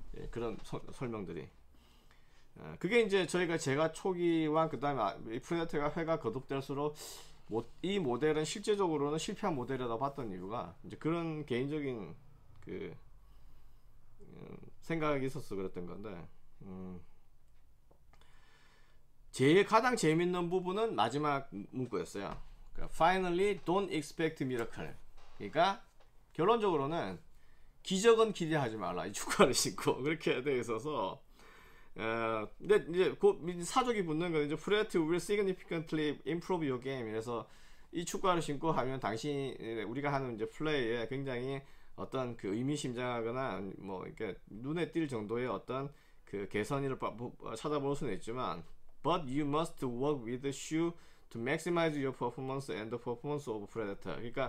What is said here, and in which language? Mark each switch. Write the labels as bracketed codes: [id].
[ko] 그런 설명들이, 그게 이제 저희가 제가 초기와 그 다음에 이 프레데터가 회가 거듭될수록 이 모델은 실제적으로는 실패한 모델이라고 봤던 이유가 이제 그런 개인적인 그 생각이 있어서 그랬던 건데, 제일 가장 재밌는 부분은 마지막 문구였어요. 그러니까 [en] Finally, don't expect miracle. [ko] 그러니까 결론적으로는 기적은 기대하지 말라. 이 축구화를 신고 그렇게 돼 있어서. 근데 이제 곧 사족이 붙는 건 이제 [en] Pray to will significantly improve your game. [ko] 그래서 이 축구화를 신고 하면 당신 우리가 하는 이제 플레이에 굉장히 어떤 그 의미심장하거나 뭐 이렇게 눈에 띌 정도의 어떤 그 개선을 찾아볼 수는 있지만, [en] but you must work with the shoe to maximize your performance and the performance of Predator.